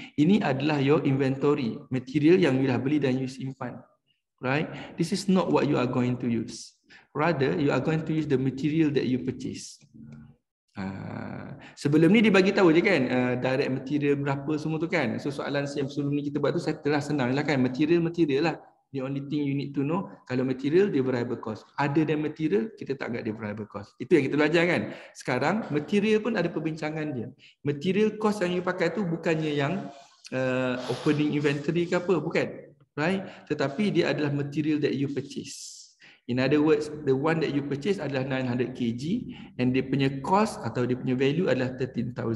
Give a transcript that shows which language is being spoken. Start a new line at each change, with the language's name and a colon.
Malay: Ini adalah your inventory material yang you dah beli dan you simpan.
English: Right? This is not what you are going to use. Rather, you are going to use the material that you purchase.
Malay: Sebelum ni dia bagi tahu je kan, direct material berapa semua tu kan. So soalan sebelum ni kita buat tu settle lah, senang lah kan. Material lah,
English: the only thing you need to know.
Malay: Kalau material, dia variable cost.
English: Other than material,
Malay: kita tak agak dia variable cost. Itu yang kita belajar kan. Sekarang material pun ada perbincangan dia. Material cost yang you pakai tu bukannya yang opening inventory ke apa, bukan, right? Tetapi dia adalah material that you purchase.
English: In other words, the one that you purchase
Malay: adalah 900 kg, and dia punya cost atau dia punya value adalah 13,000.